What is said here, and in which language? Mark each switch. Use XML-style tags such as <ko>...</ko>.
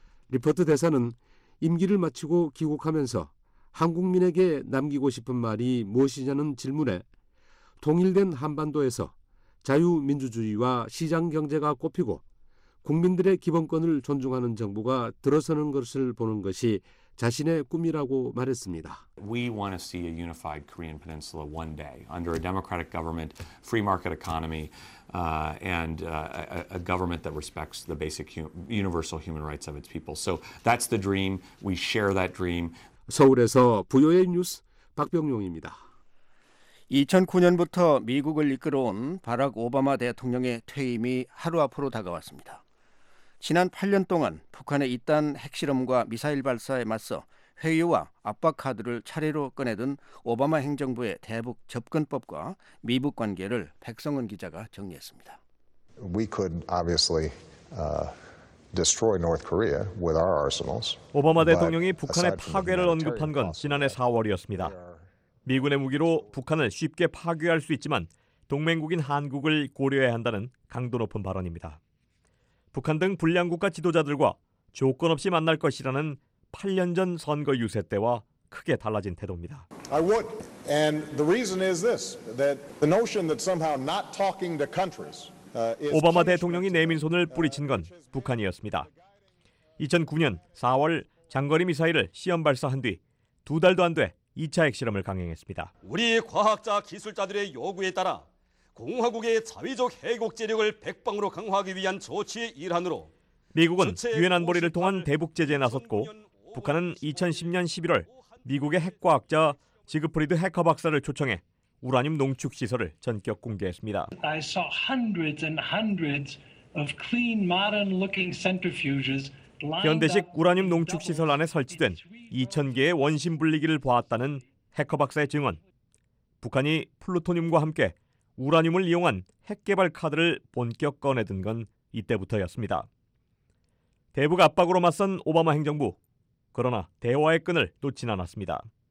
<ko>리퍼트 대사는 임기를 마치고 귀국하면서 한국민에게 남기고 싶은 말이 무엇이냐는 질문에 통일된 한반도에서 자유민주주의와 시장경제가 꽃피고 국민들의 기본권을 존중하는 정부가 들어서는 것을 보는 것이 자신의 꿈이라고 말했습니다.</ko> <en>We want to see a unified Korean peninsula one day under a democratic government, free market economy, and a government that respects the basic universal human rights of its people. So that's the dream. We share that dream.</en> <ko>서울에서 VOA 뉴스 박병용입니다. 2009년부터 미국을 이끌어온 바락 오바마 대통령의 퇴임이 하루 앞으로 다가왔습니다. 지난 8년 동안 북한의 잇단 핵실험과 미사일 발사에 맞서 회유와 압박 카드를 차례로 꺼내든 오바마 행정부의 대북 접근법과 미북 관계를 백성은 기자가 정리했습니다.</ko> <en>We could obviously destroy North Korea with our arsenals.</en> <ko>오바마 대통령이 북한의 파괴를 언급한 건 지난해 4월이었습니다. 미군의 무기로 북한을 쉽게 파괴할 수 있지만 동맹국인 한국을 고려해야 한다는 강도 높은 발언입니다. 북한 등 불량 국가 지도자들과 조건 없이 만날 것이라는 8년 전 선거 유세 때와 크게 달라진 태도입니다.</ko> <en>I would, and the reason is this: that the notion that somehow not talking to countries.</en> <ko>오바마 대통령이 내민 손을 뿌리친 건 북한이었습니다. 2009년 4월 장거리 미사일을 시험 발사한 뒤 두 달도 안 돼 2차 핵실험을 강행했습니다. 우리 과학자 기술자들의 요구에 따라 공화국의 자위적 해국지력을 백방으로 강화하기 위한 조치의 일환으로 미국은 유엔 안보리를 통한 대북 제재에 나섰고 북한은 2010년 11월 미국의 핵과학자 지그프리드 해커 박사를 초청해 우라늄 농축 시설을 전격 공개했습니다.</ko> <en>I saw hundreds and hundreds of clean, modern-looking centrifuges.</en> <ko>현대식 우라늄 농축 시설 안에 설치된 2,000개의 원심 분리기를 보았다는 해커 박사의 증언. 북한이 플루토늄과 함께 우라늄을 이용한 핵 개발 카드를 본격 꺼내든 건 이때부터였습니다. 대북 압박으로 맞선 오바마 행정부. 그러나 대화의 끈을 놓진 않았습니다.</ko>